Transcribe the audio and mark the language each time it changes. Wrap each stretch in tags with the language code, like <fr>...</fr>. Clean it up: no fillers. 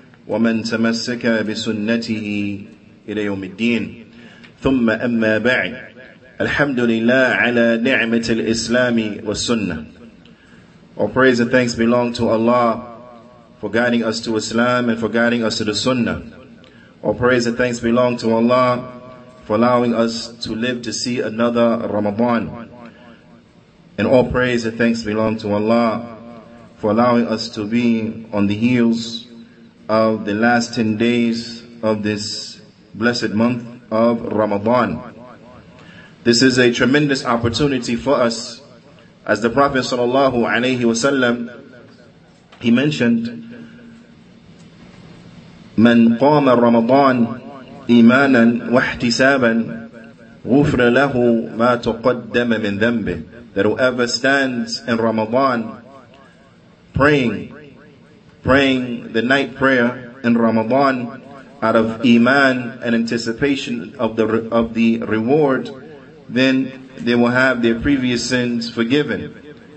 <ar>ومن تمسك بسنته إلى يوم الدين ثم أما بعد الحمد لله على نعمة الإسلام والسنة.</ar> <en>All praise and thanks belong to Allah for guiding us to Islam and for guiding us to the Sunnah. All praise and thanks belong to Allah for allowing us to live to see another Ramadan. And all praise and thanks belong to Allah for allowing us to be on the heels of the last 10 days of this blessed month of Ramadan. This is a tremendous opportunity for us. As the Prophet sallallahu alayhi wa sallam, he mentioned,</en> <ar>من قام رمضان إيمانا واحتسابا غفر له ما تقدم من ذنبه.</ar> <en>That whoever stands in Ramadan praying the night prayer in Ramadan out of iman and anticipation of the reward, then they will have their previous sins forgiven.</en>